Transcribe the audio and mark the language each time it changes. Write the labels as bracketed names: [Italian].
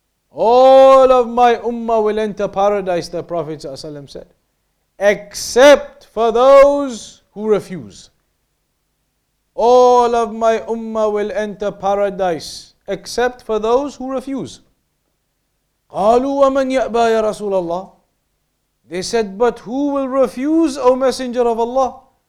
[English] All of my ummah will enter paradise, the Prophet ﷺ said, except for those who refuse. All of my ummah will enter paradise except for those who refuse. [Arabic] قالوا ومن يأبى يا رسول الله. [English] They said, but who will refuse, O Messenger of Allah?